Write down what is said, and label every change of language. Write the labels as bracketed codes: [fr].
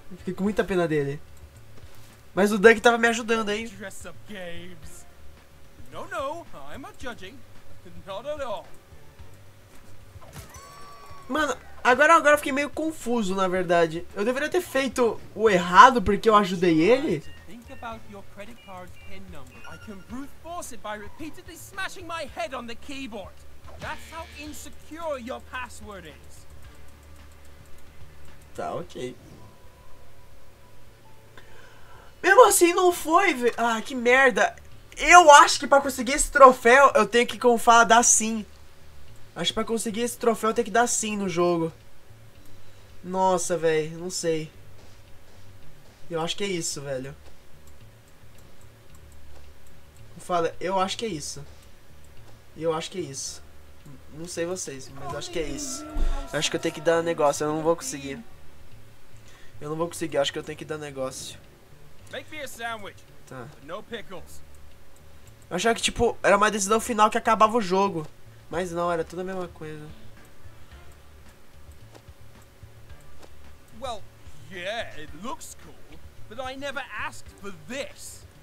[pt] Fiquei com muita pena dele. Mas o Doug tava me ajudando, hein? [en] Dress-up games. No, no, I'm not judging. Not at all. [pt] Mano, agora eu fiquei meio confuso, na verdade. Eu deveria ter feito o errado porque eu ajudei ele? [en] Think about your credit card's PIN number. I can brute force it by repeatedly smashing my head on the keyboard. That's how insecure your password is. [pt] Tá, ok. Mesmo assim, não foi, velho. Ah, que merda. Eu acho que pra conseguir esse troféu, eu tenho que, como fala, dar sim. Acho que pra conseguir esse troféu, eu tenho que dar sim no jogo. Nossa, velho. Não sei. Eu acho que é isso, velho. Fala, eu acho que é isso. Eu acho que é isso. Não sei vocês, mas acho que é isso. Eu acho que eu tenho que dar um negócio, eu não vou conseguir. Eu não vou conseguir, acho que eu tenho que dar negócio. [en] Make me a sandwich. [pt] Tá. [en] No pickles. [pt] Eu achava que tipo, era uma decisão final que acabava o jogo. Mas não, era tudo a mesma coisa. [en] Well, yeah, it looks cool, but I never asked for this.